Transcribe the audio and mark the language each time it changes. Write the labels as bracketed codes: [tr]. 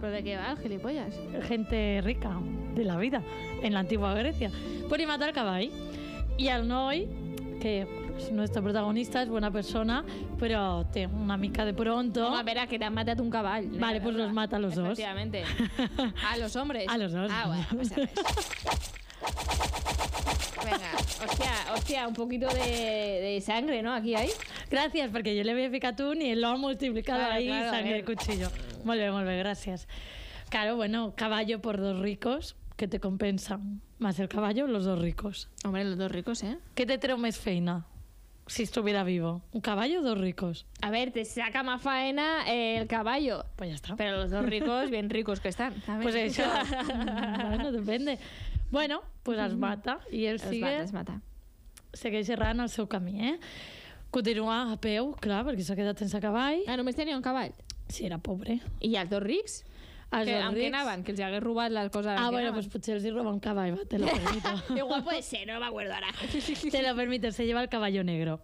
[ca] Però de què va, el gilipollas? [es] Gente rica, de la vida, [ca] en l'antigua Grècia. Però li mata el cavall. I el noi, que és el nostre protagonista, és bona persona, però té una mica de pronto... Home, a veure, que t'han matat un cavall. No, vale, doncs els mata [es] a los dos. Efectivamente. A los hombres. A los dos. Ah, bueno, pues venga, hostia, hostia, un poquito de sangre, ¿no? Aquí hay. Gracias, porque yo le había picado un y él lo ha multiplicado, claro, ahí, claro, sangre, el cuchillo. Muy bien, gracias. Claro, bueno, caballo por dos ricos, ¿qué te compensa? ¿Más el caballo o los dos ricos? Hombre, los dos ricos, ¿eh? ¿Qué te trae más feina si estuviera vivo? ¿Un caballo o dos ricos? A ver, te saca más faena el caballo. Pues ya está. Pero los dos ricos, bien ricos que están. Pues eso. Bueno, depende. Bueno, pues [ca] es mata [es] y él sigue... [ca] Es mata, segueix errant el seu camí, ¿eh? Continua a peu, clar, perquè s'ha quedat sense cavall. Ah, només tenia un cavall? Sí, era pobre. I els dos rics? Els que, dos rics? Amb què anaven? Que els hagués robat la cosa... Ah, bueno, pues potser els hi roba un cavall, va, [es] te lo permito. Igual puede ser, no me acuerdo ahora. Te lo permito, se lleva el caballo negro.